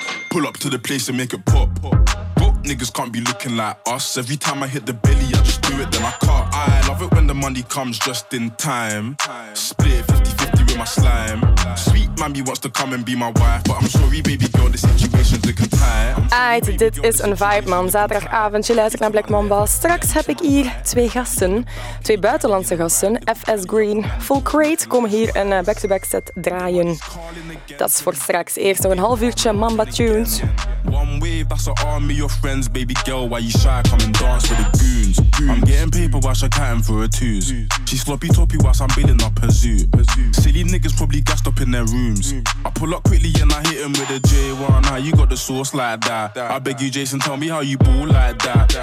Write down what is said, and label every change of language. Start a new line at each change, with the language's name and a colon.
English: Pull up to the place and make it pop. Broke niggas can't be looking like us. Every time I hit the belly, I just do it, then I cut. I love it when the money comes just in time. Split 50-50 with my slime. Sweet mammy wants to come and be my wife. But I'm sorry, baby girl, the situation's looking tight.
Dutch: Aight, dit is een vibe, man. Zaterdagavond, je luistert naar Black Mamba. Straks heb ik hier twee gasten. Twee buitenlandse gasten. FS Green, Full Crate, komen hier een back-to-back set draaien. Dat is voor straks. Eerst nog een half uurtje Mamba Tunes.
English: One wave, that's an army of friends. Baby girl, why you shy? Come and dance with the goons. I'm getting paper while she's counting for her twos. She's floppy toppy whilst I'm building up her zoo. Silly niggas probably gassed up in their rooms. I pull up quickly and I hit him with a J1. How you got the sauce like that? I beg you, Jason, tell me how you ball like that.